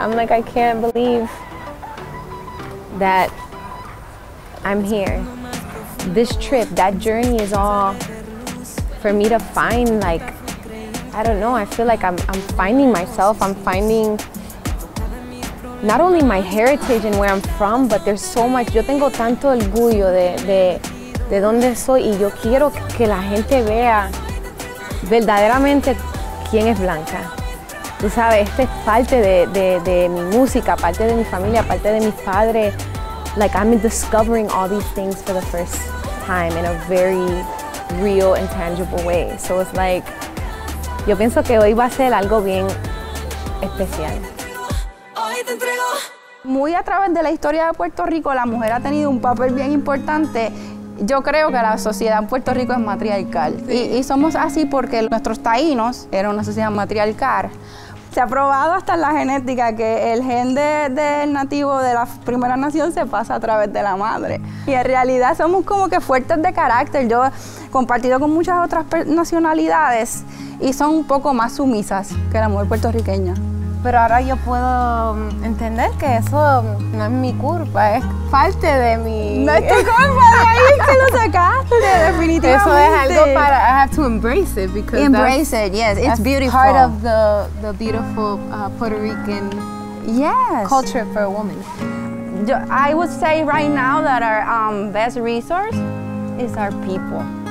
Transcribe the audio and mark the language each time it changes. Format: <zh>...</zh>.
<en>I'm like, I can't believe that I'm here. This trip, that journey is all for me to find, like, I don't know, I feel like I'm finding myself. I'm finding not only my heritage and where I'm from, but there's so much.</en> <es>Yo tengo tanto orgullo de donde soy, y yo quiero que la gente vea verdaderamente quién es Blanca. Tú sabes, esta es parte de mi música, parte de mi familia, parte de mis padres.</es> <en>Like, I'm discovering all these things for the first time in a very real and tangible way. So it's like,</en> <es>yo pienso que hoy va a ser algo bien especial. Muy a través de la historia de Puerto Rico, la mujer ha tenido un papel bien importante. Yo creo que la sociedad en Puerto Rico es matriarcal. Sí. Y somos así porque nuestros taínos eran una sociedad matriarcal. Se ha probado hasta en la genética que el gen del nativo de la primera nación se pasa a través de la madre. Y en realidad somos como que fuertes de carácter. Yo he compartido con muchas otras nacionalidades y son un poco más sumisas que la mujer puertorriqueña. Pero ahora yo puedo entender que eso no es mi culpa, es parte de mi... No es tu culpa, de ahí es que lo sacaste, definitivamente. Eso es algo para...</es> <en>I have to embrace it because... Embrace it, yes, it's beautiful. Part of the beautiful Puerto Rican culture for a woman. I would say right now that our best resource is our people.</en>